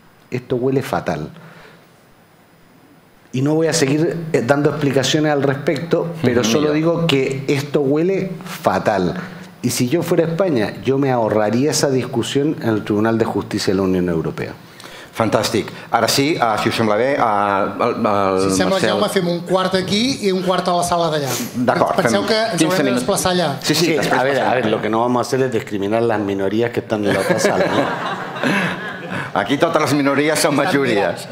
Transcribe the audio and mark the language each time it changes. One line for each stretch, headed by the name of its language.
Spanish: Esto huele fatal. Y no voy a seguir dando explicaciones al respecto, pero solo digo que esto huele fatal. Y si yo fuera a España, yo me ahorraría esa discusión en el Tribunal de Justicia de la Unión Europea.
Catalan: Fantàstic. Ara sí, si us sembla bé, si sembla, Marcel... Jaume, fem un quart aquí i un quart a la sala d'allà. D'acord. Penseu que ens haurem de desplaçar allà.
Spanish: Sí, a ver, lo que no vamos a hacer es discriminar las minorías que están en la otra sala.
Catalan: Aquí totes les minories són majories.